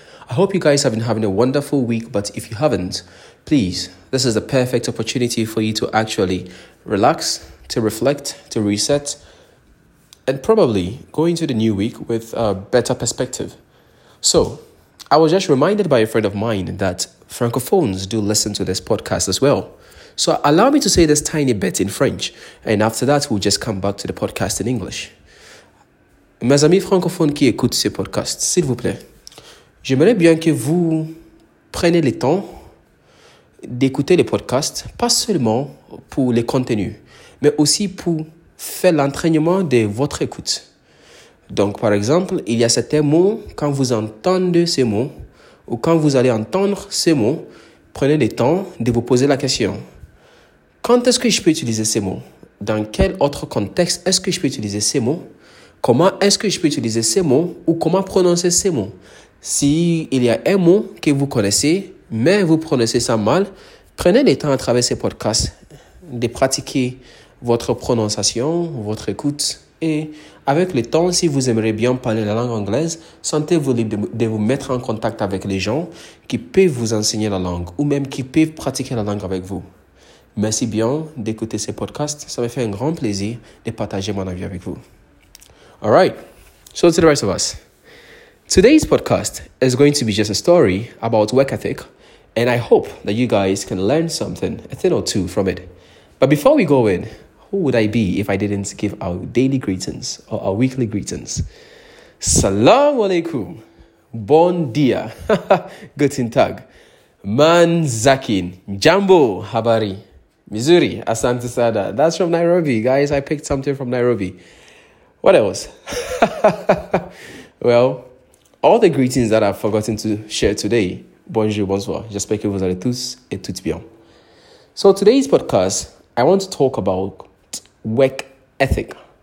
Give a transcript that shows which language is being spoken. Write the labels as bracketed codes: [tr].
[en] I hope you guys have been having a wonderful week, but if you haven't, please, this is the perfect opportunity for you to actually relax, to reflect, to reset, and probably go into the new week with a better perspective. So, I was just reminded by a friend of mine that Francophones do listen to this podcast as well. So allow me to say this tiny bit in French, and after that, we'll just come back to the podcast in English. [fr] Mes amis francophones qui écoutent ce podcast, s'il vous plaît, j'aimerais bien que vous preniez le temps d'écouter le podcast, pas seulement pour le contenu, mais aussi pour faire l'entraînement de votre écoute. Donc, par exemple, il y a certains mots, quand vous entendez ces mots, ou quand vous allez entendre ces mots, prenez le temps de vous poser la question. Quand est-ce que je peux utiliser ces mots? Dans quel autre contexte est-ce que je peux utiliser ces mots? Comment est-ce que je peux utiliser ces mots ou comment prononcer ces mots? S'il y a un mot que vous connaissez, mais vous prononcez ça mal, prenez le temps à travers ces podcasts de pratiquer votre prononciation, votre écoute. Et avec le temps, si vous aimeriez bien parler la langue anglaise, sentez-vous libre de vous mettre en contact avec les gens qui peuvent vous enseigner la langue ou même qui peuvent pratiquer la langue avec vous. Merci bien d'écouter ce podcast. Ça me fait un grand plaisir de partager mon avis avec vous. [en] All right, so to the rest of us. Today's podcast is going to be just a story about work ethic, and I hope that you guys can learn something, a thing or two from it. But before we go in, who would I be if I didn't give our daily greetings or our weekly greetings? Salam alaikum. Bon dia. Guten Tag. [sw] Man zakin. Jambo. Habari. Missouri, Asante Sada. [en] That's from Nairobi, guys. I picked something from Nairobi. What else? Well, all the greetings that I've forgotten to share today. [fr] Bonjour, bonsoir. J'espère que vous allez tous et toutes bien. [en] So today's podcast, I want to talk about work ethic.